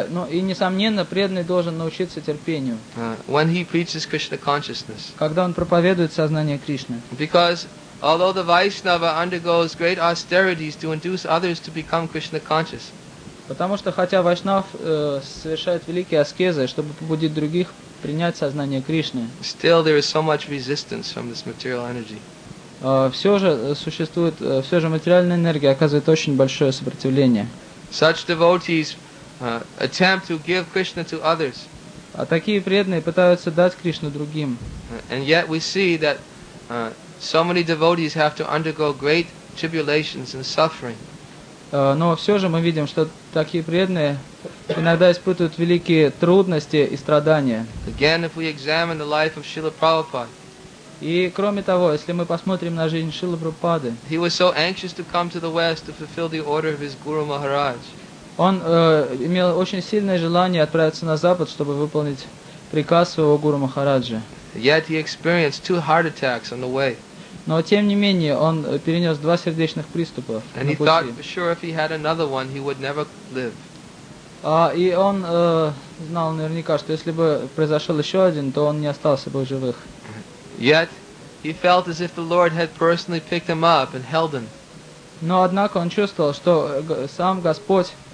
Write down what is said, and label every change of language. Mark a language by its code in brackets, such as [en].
[ru] И несомненно, преданный должен научиться терпению. [en] When he preaches Krishna consciousness. [ru] Когда он проповедует сознание Кришны. [en] Because although the Vaishnava undergoes great austerities to induce others to become Krishna conscious. [ru] Потому что хотя Вайшнав совершает великие аскезы, чтобы побудить других принять сознание Кришны. [en] Still there is so much resistance from this material energy. [ru] Все же материальная энергия оказывает очень большое сопротивление. [en] Such devotees attempt to give Krishna to others. [ru] А такие преданные пытаются дать Кришну другим. [en] And yet we see that so many devotees have to undergo great tribulations and suffering. [ru] Но все же мы видим, что такие преданные иногда испытывают великие трудности и страдания. [en] Again, if we examine the life of Srila Prabhupada. [ru] И кроме того, если мы посмотрим на жизнь Шрилы Прабхупады, [en] he was so anxious to come to the West to fulfill the order of his Guru Maharaj. [ru] Он имел очень сильное желание отправиться на Запад, чтобы выполнить приказ своего Гуру Махараджа. [en] Yet he experienced two heart attacks on the way. [ru] Но тем не менее, он перенес два сердечных приступа на пути. [en] And he thought for sure if he had another one, he would never live. [ru] И он знал наверняка, что если бы произошел еще один, то он не остался бы в живых. [en] Yet he felt as if the Lord had personally picked him up and held him. [ru] Но однако он чувствовал, что сам Господь,